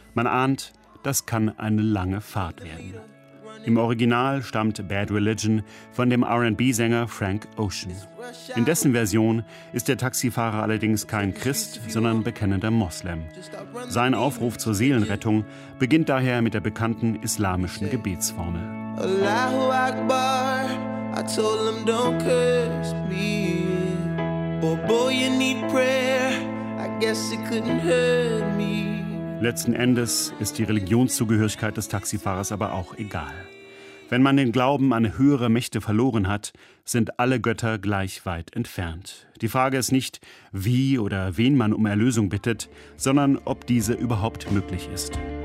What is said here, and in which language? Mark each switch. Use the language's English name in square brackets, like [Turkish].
[German] Man ahnt, das kann eine lange Fahrt werden. Im Original stammt Bad Religion von dem R&B-Sänger Frank Ocean. In dessen Version ist der Taxifahrer allerdings kein Christ, sondern bekennender Moslem. Sein Aufruf zur Seelenrettung beginnt daher mit der bekannten islamischen Gebetsformel. [Arabic] Allahu Akbar, [English] I told him don't curse me. Oh boy, you need prayer, I guess it couldn't hurt me. [German] Letzten Endes ist die Religionszugehörigkeit des Taxifahrers aber auch egal. Wenn man den Glauben an höhere Mächte verloren hat, sind alle Götter gleich weit entfernt. Die Frage ist nicht, wie oder wen man um Erlösung bittet, sondern ob diese überhaupt möglich ist.